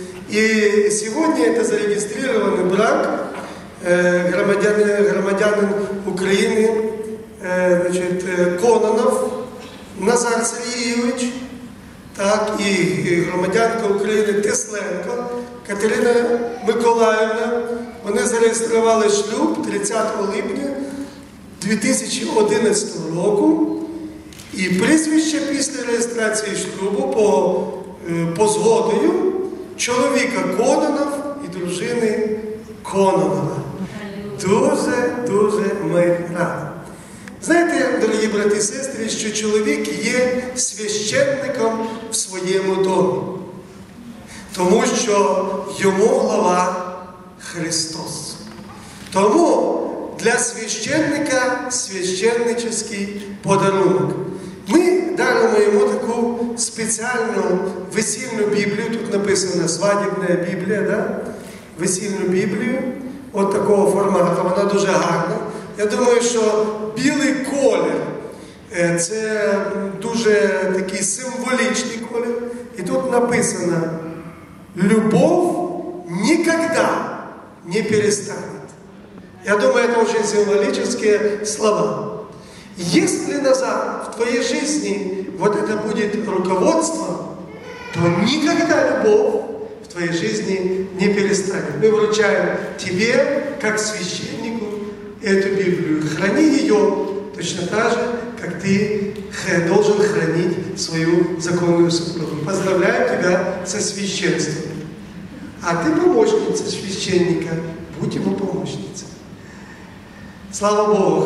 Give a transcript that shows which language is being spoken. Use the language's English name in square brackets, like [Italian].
[Russian] И сегодня это зарегистрированный брак [Ukrainian] громадянин Украины, [Russian] значит, Кононов Назар Сергеевич, так, и [Ukrainian] громадянка Украины [Russian] Тесленко Катерина Миколаївна. [Ukrainian] Вони зареєстрували шлюб 30 липня 2011 року. І прізвище після реєстрації шлюбу по згодою чоловіка Кононов і дружини Кононова. Дуже-дуже ми раді. Знаєте, дорогі брати і сестри, що чоловік є священником в своєму домі. Тому що йому голова Христос. Тому для священника священнический подарунок. Ми даємо йому таку спеціальну весільну Біблію, тут написана свадебна Біблія, да? Весільну Біблію, от такого формату, вона дуже гарна. Я думаю, що білий колір – це дуже такий символічний колір. І тут написано «Любов ніколи не перестане». Я думаю, це вже символічні слова. Якщо назад в твоїй житті вот це буде руководство, то ніколи любов в твоїй житті не перестане. Ми вручаємо тебе, як священнику, [Russian] эту Библию. Храни ее точно так же, как ты должен хранить свою законную супругу. Поздравляю тебя со священством. А ты помощница священника, будь ему помощницей. Слава Богу.